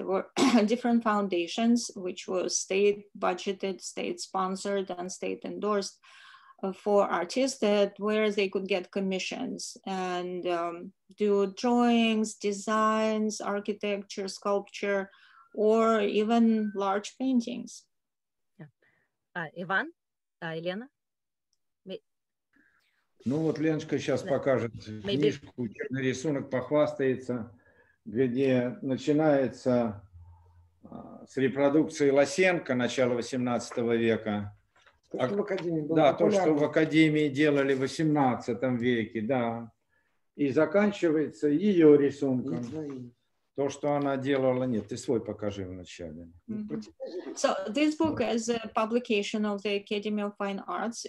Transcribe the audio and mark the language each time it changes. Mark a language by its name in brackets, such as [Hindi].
[English] There were different foundations which were state budgeted, state sponsored and state endorsed for artists, that where they could get commissions and do drawings, designs, architecture, sculpture, or even large paintings. [Russian] Yeah. Иван, Елена. Ну вот Леночка сейчас покажет книжку, черный рисунок, похвастается, где начинается с репродукции Лосенко начала 18 века. То, что в академии было, да, популярно. То, что в академии делали в 18 веке, да. И заканчивается ее рисунком. То, что она делала, нет, ты свой покажи вначале. Mm-hmm. [English] So this book is a publication of the Academy of Fine Arts.